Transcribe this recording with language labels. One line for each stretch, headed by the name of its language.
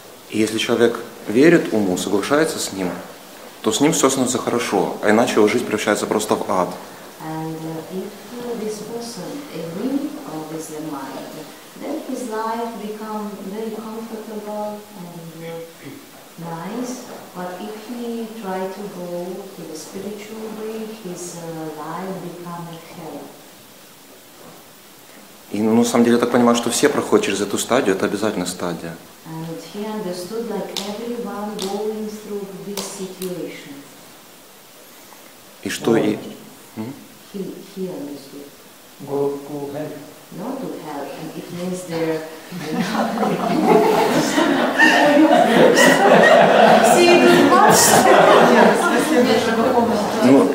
Russian: Если человек верит уму, соглашается с ним, то с ним все становится хорошо, а иначе его жизнь превращается просто в ад.
English: And if this person agrees or is the mind, life become very comfortable and nice, but if he try to go to the spiritual way, his life become hell.
Russian: И на самом деле я так понимаю, что все проходят через эту стадию, это обязательно стадия.
English: And he understood that everyone going through this situation.
Russian: И что и?
English: He understood. Go ahead. Not to help, and it means they're not. See, it is much.